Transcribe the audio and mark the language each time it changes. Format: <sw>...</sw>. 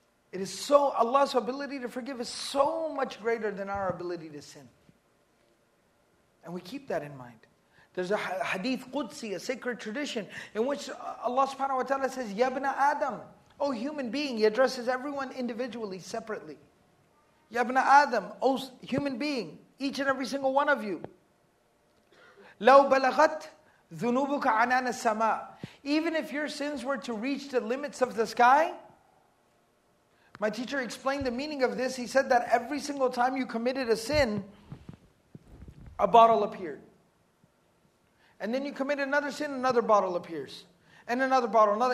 <en>It is so, Allah's ability to forgive is so much greater than our ability to sin. And we keep that in mind. There's a hadith Qudsi, a sacred tradition, in which Allah subhanahu wa ta'ala says, Ya ibn Adam, O human being, He addresses everyone individually, separately. Ya ibn Adam, O human being, each and every single one of you.</en> <ar>لو بلغت ذنوبك عنان السماء.</ar> <en>Even if your sins were to reach the limits of the sky, my teacher explained the meaning of this. He said that every single time you committed a sin, a bottle appeared. And then you commit another sin, another bottle appears. And another bottle, another.</en>